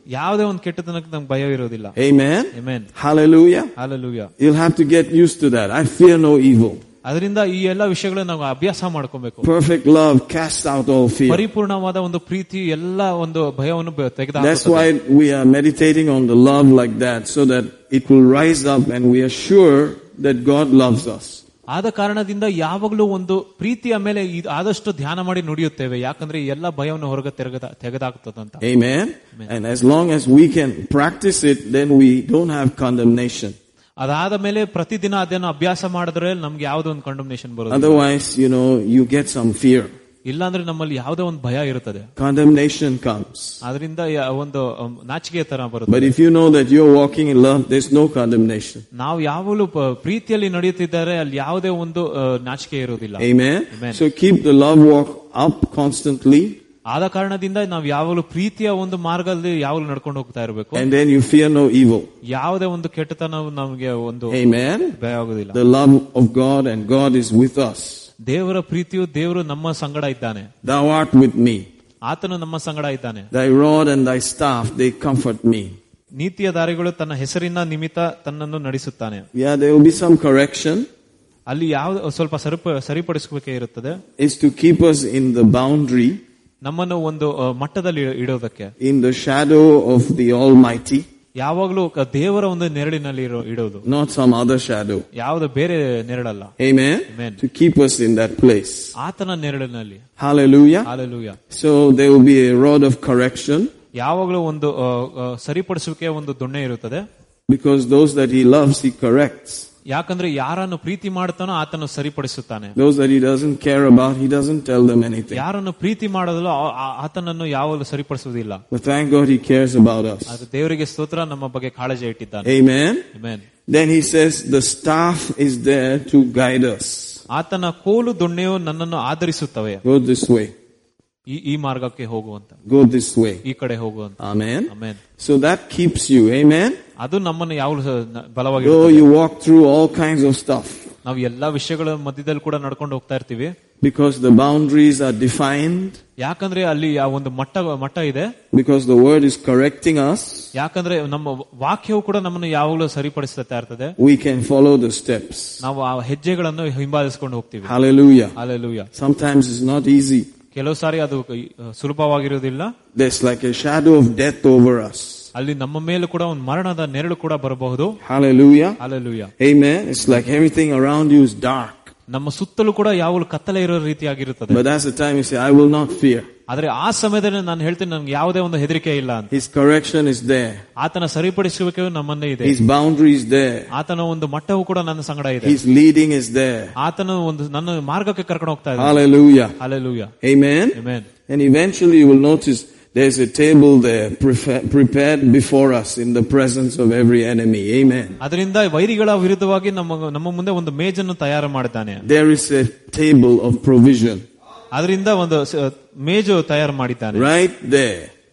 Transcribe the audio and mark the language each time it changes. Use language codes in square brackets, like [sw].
[kn] ಯಾವುದೇ ಒಂದು ಕೆಟ್ಟದನಕ್ಕೆ ನಮ್ಗೆ ಭಯ ಇರೋದಿಲ್ಲ. [en] Amen. Amen. Hallelujah. Hallelujah. You'll have to get used to that. I fear no evil. [kn] ಅದರಿಂದ ಈ ಎಲ್ಲ ವಿಷಯಗಳನ್ನ ನಾವು ಅಭ್ಯಾಸ ಮಾಡ್ಕೋಬೇಕು. [en] Perfect love cast out all fear. [kn] ಪರಿಪೂರ್ಣವಾದ ಒಂದು ಪ್ರೀತಿ ಎಲ್ಲ ಒಂದು ಭಯವನ್ನು ತೆಗೆದು. [en] That's why we are meditating on the love like that, so that it will rise up and we are sure that God loves us. [kn] ಆದ ಕಾರಣದಿಂದ ಯಾವಾಗಲೂ ಒಂದು ಪ್ರೀತಿಯ ಮೇಲೆ ಆದಷ್ಟು ಧ್ಯಾನ ಮಾಡಿ ನುಡಿಯುತ್ತೇವೆ, ಯಾಕಂದ್ರೆ ಎಲ್ಲ ಭಯವನ್ನು ಹೊರಗೆ ತೆಗೆದಾಗುತ್ತದಂತ. [en] Amen. And as long as we can practice it, then we don't have condemnation. [kn] ಅದಾದ ಮೇಲೆ ಪ್ರತಿದಿನ ಅದನ್ನು ಅಭ್ಯಾಸ ಮಾಡಿದ್ರೆ ನಮ್ಗೆ ಯಾವುದೇ ಒಂದು ಕಂಡೆಮ್ನೇಷನ್ ಬರುತ್ತೆ. [en] Otherwise you know you get some fear. [kn] ಇಲ್ಲಾಂದ್ರೆ ನಮ್ಮಲ್ಲಿ ಯಾವುದೇ ಒಂದು ಭಯ ಇರುತ್ತದೆ. [en] Condemnation comes. [kn] ಅದರಿಂದ ಒಂದು ನಾಚಿಕೆ ತರ ಬರುತ್ತೆ. [en] But if you know that you are walking in love, there is no condemnation. [kn] ನಾವು ಯಾವಾಗಲೂ ಪ್ರೀತಿಯಲ್ಲಿ ನಡೆಯುತ್ತಿದ್ದಾರೆ, ಅಲ್ಲಿ ಯಾವುದೇ ಒಂದು ನಾಚಿಕೆ ಇರುವುದಿಲ್ಲ. [en] Amen. So keep the love walk up constantly. [kn] ಆದ ಕಾರಣದಿಂದ ನಾವು ಯಾವಾಗಲೂ ಪ್ರೀತಿಯ ಒಂದು ಮಾರ್ಗದಲ್ಲಿ ಯಾವಾಗಲೂ ನಡ್ಕೊಂಡು ಹೋಗ್ತಾ ಇರಬೇಕು. [en] And then you fear no evil. [kn] ಯಾವುದೇ ಒಂದು ಕೆಟ್ಟತನ ನಮಗೆ ಒಂದು ಭಯ ಆಗುದಿಲ್ಲ. [en] The love of God and God is with us. [kn] ದೇವರ ಪ್ರೀತಿಯು ದೇವರು ನಮ್ಮ ಸಂಗಡ ಇದ್ದಾನೆ. [en] Thou art with me. [kn] ಆತನು ನಮ್ಮ ಸಂಗಡ ಇದ್ದಾನೆ. [en] Thy rod and thy staff, they comfort me. [kn] ನೀತಿಯ ದಾರಿಗಳು ತನ್ನ ಹೆಸರಿನ ನಿಮಿತ್ತ ತನ್ನನ್ನು ನಡೆಸುತ್ತಾನೆ. [en] Yeah, there will be some correction. [kn] ಅಲ್ಲಿ ಯಾವುದು ಸ್ವಲ್ಪ ಸರಿಪಡಿಸಬೇಕೇ ಇರುತ್ತದೆ. [en] Is to keep us in the boundary. [kn] ನಮ್ಮನ್ನು ಒಂದು ಮಟ್ಟದಲ್ಲಿ ಇಡೋದಕ್ಕೆ. [en] In the shadow of the almighty. [kn] ಯಾವಾಗಲೂ ದೇವರ ಒಂದು ನೆರಳಿನಲ್ಲಿ ಇಡೋದು. [en] Not some other shadow. [kn] ಯಾವುದು ಬೇರೆ ನೆರಳಲ್ಲ. [en] Amen. To keep us in that place. [kn] ಆತನ ನೆರಳಿನಲ್ಲಿ. Hallelujah. Hallelujah. [en] So they will be a rod of correction. [kn] ಯಾವಾಗಲೂ ಒಂದು ಸರಿಪಡಿಸುವಿಕೆ ಒಂದು ದೊಣ್ಣೆ ಇರುತ್ತದೆ. [en] Because those that he loves he corrects. [kn] ಯಾಕಂದ್ರೆ ಯಾರನ್ನು ಪ್ರೀತಿ ಮಾಡ್ತಾನೋ ಆತನು ಸರಿಪಡಿಸುತ್ತಾನೆ. [en] Those that he doesn't care about, he doesn't tell them anything. [kn] ಯಾರನ್ನು ಪ್ರೀತಿ ಮಾಡೋದಲ್ಲ ಆತನನ್ನು ಯಾವಾಗಲೂ ಸರಿಪಡಿಸುವುದಿಲ್ಲ. [en] Thank God he cares about us. [kn] ಅದು ದೇವರಿಗೆ ಸ್ತೋತ್ರ, ನಮ್ಮ ಬಗ್ಗೆ ಕಾಳಜಿ ಇಟ್ಟಿದ್ದಾನೆ. [en] Amen. Amen. Then he says the staff is there to guide us. [kn] ಆತನ ಕೋಲು ದೊಣ್ಣೆಯು ನನ್ನನ್ನು ಆಧರಿಸುತ್ತವೆ. [en] Go this way. [kn] ಈ ಮಾರ್ಗಕ್ಕೆ ಹೋಗುವಂತ. [en] Go this way. [kn] ಈ ಕಡೆ ಹೋಗುವಂತ. [en] Amen. Amen. So that keeps you. Amen. [kn] ಅದು ನಮ್ಮನ್ನು ಯಾವಾಗಲೂ ಬಲವಾಗಿ. [en] Though you walk through all kinds of stuff. [kn] ನಾವು ಎಲ್ಲ ವಿಷಯಗಳ ಮಧ್ಯದಲ್ಲಿ ಕೂಡ ನಡ್ಕೊಂಡು ಹೋಗ್ತಾ ಇರ್ತೀವಿ. [en] Because the boundaries are defined. [kn] ಯಾಕಂದ್ರೆ ಅಲ್ಲಿ ಒಂದು ಮಟ್ಟ ಇದೆ. [en] Because the word is correcting us. [kn] ಯಾಕಂದ್ರೆ ನಮ್ಮ ವಾಕ್ಯವು ಕೂಡ ನಮ್ಮನ್ನು ಯಾವಾಗಲೂ ಸರಿಪಡಿಸುತ್ತಾ ಇರ್ತದೆ. [en] We can follow the steps. [kn] ನಾವು ಆ ಹೆಜ್ಜೆಗಳನ್ನು ಹಿಂಬಾಲಿಸಿಕೊಂಡು ಹೋಗ್ತೀವಿ. [en] Hallelujah. Hallelujah. Sometimes it's not easy. [kn] ಕೆಲವು ಸಾರಿ ಅದು ಸುಲಭವಾಗಿರುವುದಿಲ್ಲ. [en] There's like a shadow of death over us. [kn] ಅಲ್ಲಿ ನಮ್ಮ ಮೇಲೆ ಕೂಡ ಒಂದು ಮರಣದ ನೆರಳು ಕೂಡ ಬರಬಹುದು. [en] Hallelujah. Hallelujah. Amen. It's like everything around you is dark. [kn] ನಮ್ಮ ಸುತ್ತಲೂ ಕೂಡ ಯಾವಾಗಲೂ ಕತ್ತಲೆ ಇರೋ ರೀತಿಯಾಗಿರುತ್ತದೆ. [en] But that's the time you say, I will not fear. [kn] ಆದರೆ ಆ ಸಮಯದಲ್ಲಿ ನಾನು ಹೇಳ್ತೇನೆ, ನನಗೆ ಯಾವುದೇ ಒಂದು ಹೆದರಿಕೆ ಇಲ್ಲ ಅಂತ. [en] His correction is there. [kn] ಆತನ ಸರಿಪಡಿಸುವಿಕೆ ನಮ್ಮನ್ನೇ ಇದೆ. [en] His boundary is there. [kn] ಆತನ ಒಂದು ಮಟ್ಟವು ಕೂಡ ನನ್ನ ಸಂಗಡ ಇದೆ. [en] His leading is there. [kn] ಆತನ ಒಂದು ನನ್ನ ಮಾರ್ಗಕ್ಕೆ ಕರ್ಕೊಂಡು ಹೋಗ್ತಾ ಇದೆ. [en] Hallelujah. Hallelujah. Amen. Amen. And eventually you will notice there's a table there prepared before us in the presence of every enemy. Amen. There is a table of provision. Right there.